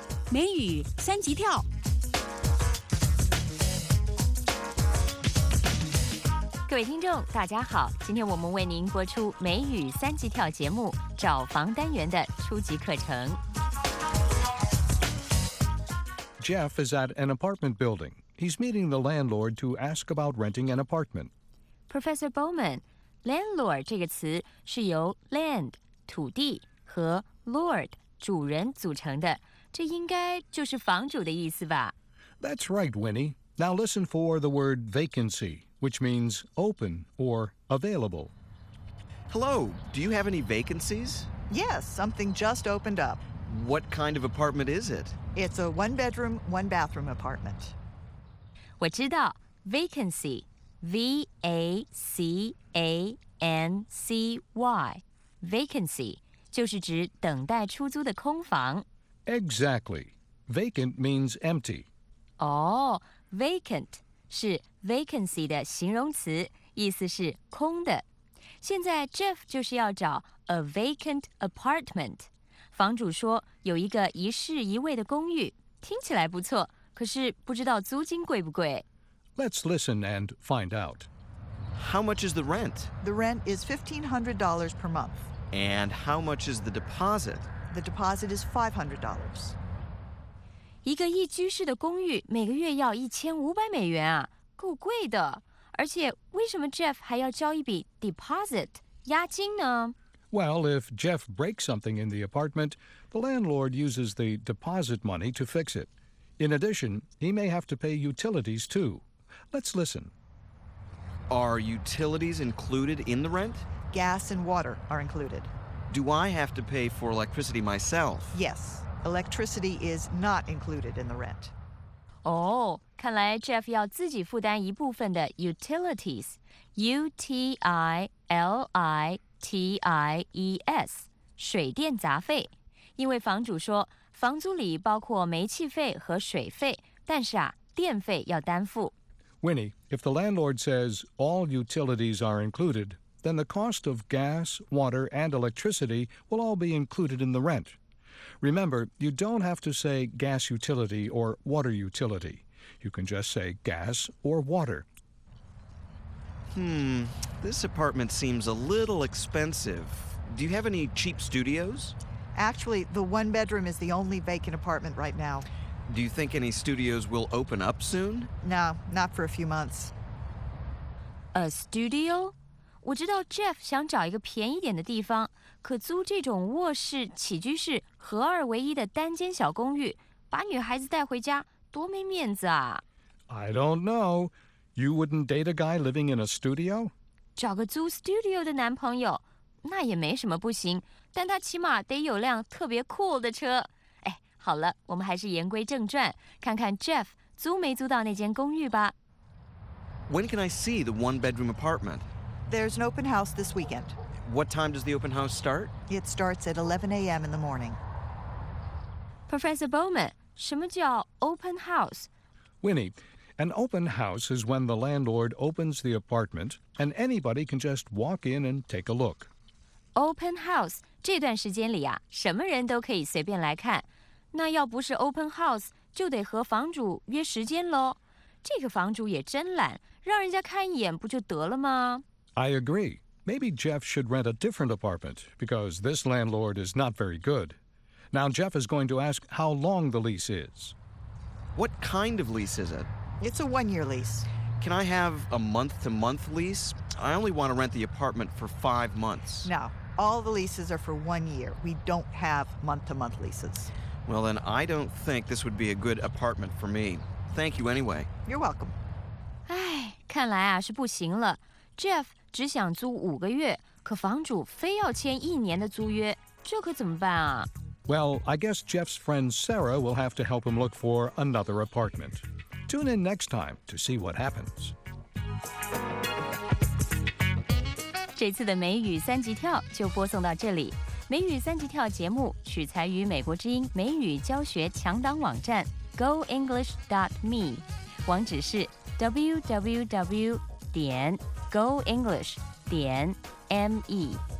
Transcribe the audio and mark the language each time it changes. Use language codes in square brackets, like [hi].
[zh] 美语三级跳。各位听众大家好，今天我们为您播出美语三级跳节目找房单元的初级课程。 [en] Jeff is at an apartment building. He's meeting the landlord to ask about renting an apartment. [zh] Professor Bowman, landlord 这个词是由 land 土地和 lord 主人组成的，这应该就是房主的意思吧？ [en] That's right, Winnie. Now listen for the word vacancyWhich means open or available. Hello, do you have any vacancies? Yes, something just opened up. What kind of apartment is it? It's a one-bedroom, one-bathroom apartment. [zh] 我知道 vacancy, V-A-C-A-N-C-Y, vacancy, 就是指等待出租的空房。 [en] Exactly. Vacant means empty. Oh, vacant. [zh] 是 vacancy 的形容词，意思是空的。现在 Jeff 就是要找 [en] a vacant apartment。 [zh] 房主说有一个一室一卫的公寓，听起来不错，可是不知道租金贵不贵。 [en] Let's listen and find out. How much is the rent? The rent is $1,500 per month. And how much is the deposit? The deposit is $500. [zh] 一个一居室的公寓每个月要$1,500啊，够贵的。而且为什么 Jeff 还要交一笔 deposit 押金呢？ [en] Well, if Jeff breaks something in the apartment, the landlord uses the deposit money to fix it. In addition, he may have to pay utilities too. Let's listen. Are utilities included in the rent? Gas and water are included. Do I have to pay for electricity myself? Yes. Electricity is not included in the rent. [zh] Oh, 看来 Jeff 要自己负担一部分的 utilities, U-T-I-L-I-T-I-E-S, 水电杂费。因为房主说房租里包括煤气费和水费，但是啊，电费要担负。 [en] Winnie, if the landlord says all utilities are included, then the cost of gas, water, and electricity will all be included in the rent. Remember, you don't have to say gas utility or water utility. You can just say gas or water. This apartment seems a little expensive. Do you have any cheap studios? Actually, the one bedroom is the only vacant apartment right now. Do you think any studios will open up soon? No, not for a few months. A studio? [zh] 我知道 Jeff 想找一个便宜点的地方，可租这种卧室、起居室、合二为一的单间小公寓，把女孩子带回家，多没面子啊。 [en] I don't know. You wouldn't date a guy living in a studio? [zh] 找个租 studio 的男朋友，那也没什么不行，但他起码得有辆特别 cool 的车。哎，好了，我们还是言归正传，看看 Jeff 租没租到那间公寓吧。 [en] When can I see the one-bedroom apartment? There's an open house this weekend. What time does the open house start? It starts at 11 a.m. in the morning. [zh] Professor Bowman, 什么叫 open house? [en] Winnie, an open house is when the landlord opens the apartment and anybody can just walk in and take a look. [zh] Open house, 这段时间里啊，什么人都可以随便来看。那要不是 open house, 就得和房主约时间咯。这个房主也真懒，让人家看一眼不就得了吗？ [en] I agree. Maybe Jeff should rent a different apartment, because this landlord is not very good. Now Jeff is going to ask how long the lease is. What kind of lease is it? It's a one-year lease. Can I have a month-to-month lease? I only want to rent the apartment for 5 months. No, all the leases are for 1 year. We don't have month-to-month leases. Well, then I don't think this would be a good apartment for me. Thank you anyway. You're welcome. [zh] 哎，看来啊，是不行了。 Jeff 只想租五个月，可房主非要签一年的租约，这可怎么办啊？ [en] Well, I guess Jeff's friend Sarah will have to help him look for another apartment. Tune in next time to see what happens. [zh] 这次的美语三级跳就播送到这里。美语三级跳节目取材于美国之音美语教学强档网站 goenglish.me， 网址是 www.goenglish.me。